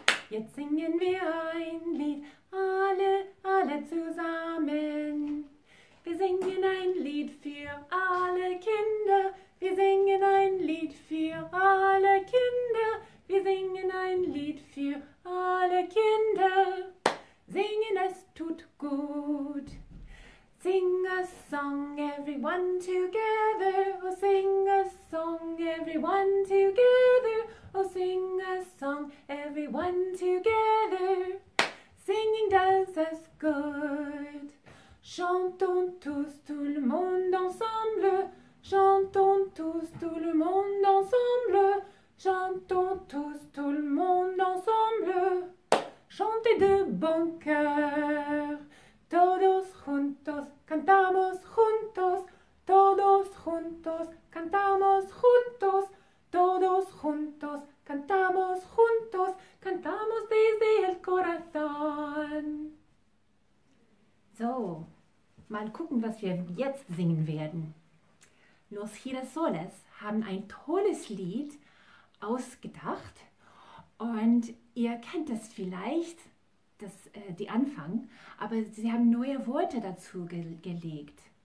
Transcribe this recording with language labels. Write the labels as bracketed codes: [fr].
[de] Jetzt singen wir ein Lied, alle zusammen. Wir singen ein Lied für alle Kinder. Wir singen ein Lied für alle Kinder. Wir singen ein Lied für alle Kinder. Singen, es tut gut. [en] Sing a song, everyone together. Oh, sing a song, everyone together. Oh, sing a song, everyone together. Singing does us good. [fr] Chantons tous, tout le monde ensemble. Chantons tous, tout le monde ensemble. Chantons tous, tout le monde ensemble. Chantez de bon cœur. [es] Todos juntos, cantamos juntos. Todos juntos, cantamos juntos. Todos juntos, cantamos juntos. Cantamos desde el corazón. [de] So, mal gucken, was wir jetzt singen werden. Los Girasoles haben ein tolles Lied ausgedacht und ihr kennt es vielleicht, die Anfang, aber sie haben neue Worte dazu gelegt.